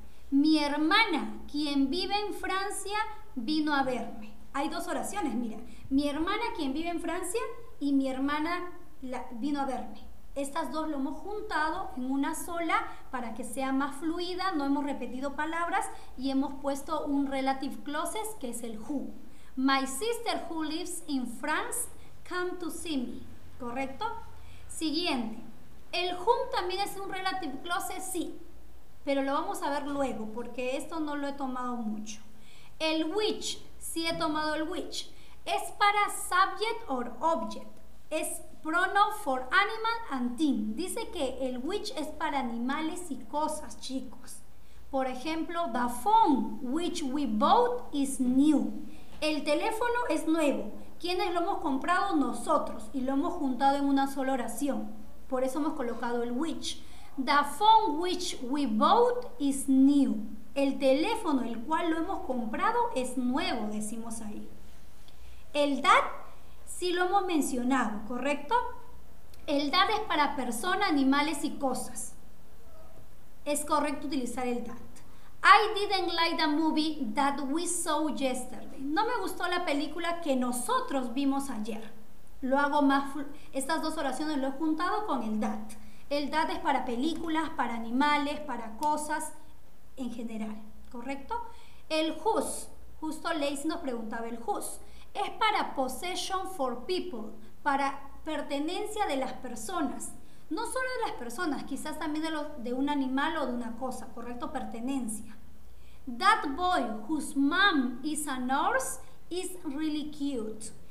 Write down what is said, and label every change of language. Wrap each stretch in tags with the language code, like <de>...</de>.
<es>Mi hermana, quien vive en Francia, vino a verme. Hay dos oraciones, mira. Mi hermana, quien vive en Francia, y mi hermana vino a verme. Estas dos lo hemos juntado en una sola para que sea más fluida. No hemos repetido palabras y hemos puesto un relative clauses que es el who.</es> <en>My sister who lives in France came to see me.</en> <es>¿Correcto? Siguiente. ¿El whom también es un relative clause? Sí. Pero lo vamos a ver luego porque esto no lo he tomado mucho. El which. Sí he tomado el which. Es para</es> <en>subject or object.</en> <es>Es</es> <en>pronoun for animal and thing.</en> <es>Dice que el which es para animales y cosas, chicos. Por ejemplo,</es> <en>the phone which we bought is new.</en> <es>El teléfono es nuevo. ¿Quiénes lo hemos comprado? Nosotros. Y lo hemos juntado en una sola oración. Por eso hemos colocado el which.</es> <en>The phone which we bought is new.</en> <es>El teléfono el cual lo hemos comprado es nuevo, decimos ahí. El that sí lo hemos mencionado, ¿correcto? El that es para persona, animales y cosas. Es correcto utilizar el that.</es> <en>I didn't like the movie that we saw yesterday.</en> <es>No me gustó la película que nosotros vimos ayer. Lo hago más... Estas dos oraciones lo he juntado con el that. El that es para películas, para animales, para cosas en general. ¿Correcto? El whose. Justo Lacey nos preguntaba el whose. Es para</es> <en>possession for people.</en> <es>Para pertenencia de las personas. No solo de las personas, quizás también de un animal o de una cosa, ¿correcto? Pertenencia.</es> <en>That boy whose mom is a nurse is really cute.</en>